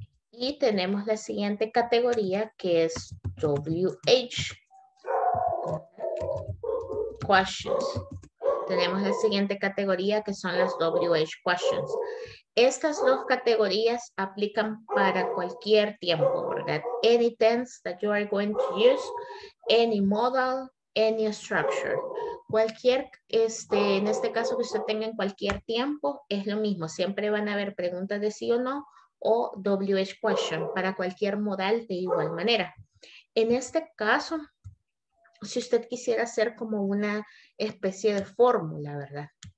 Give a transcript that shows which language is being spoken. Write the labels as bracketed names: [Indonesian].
[Spanish] Y tenemos la siguiente categoría que es WH. Questions. Tenemos la siguiente categoría que son las WH questions. Estas dos categorías aplican para cualquier tiempo, ¿verdad? [English] Any tense that you are going to use, any modal, any structure. [Spanish] Cualquier, en este caso que usted tenga en cualquier tiempo, es lo mismo. Siempre van a haber preguntas de sí o no o WH question para cualquier modal de igual manera. En este caso, si usted quisiera hacer como una especie de fórmula, ¿verdad?